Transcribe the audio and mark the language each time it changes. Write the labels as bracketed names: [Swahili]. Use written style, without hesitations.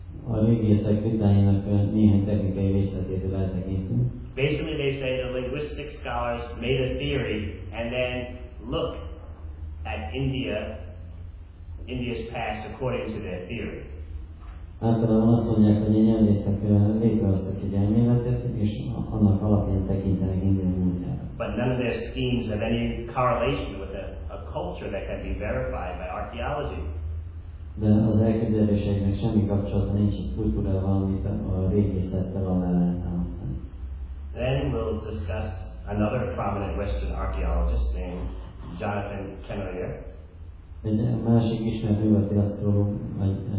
[Hungarian] A régészek vitájának néhány technikai részletétől eltekintünk. [English] Basically, they say the linguistic scholars made a theory and then look at India's past according to their theory. [Hungarian] Általában azt mondják, hogy a nyelvészek létrehoztak egy elméletet, és annak alapján tekintenek India múltjára. [English] But none of their schemes have any correlation with a culture that can be verified by archaeology. [Hungarian] De az elképzeléseknek semmi kapcsolata nincs a kultúrával, amit a régészettel alá lehet támasztani. [English] Then we'll discuss another prominent Western archaeologist named Jonathan Kennelier. [Hungarian] Egy másik ismert nyugati asztrológus, vagy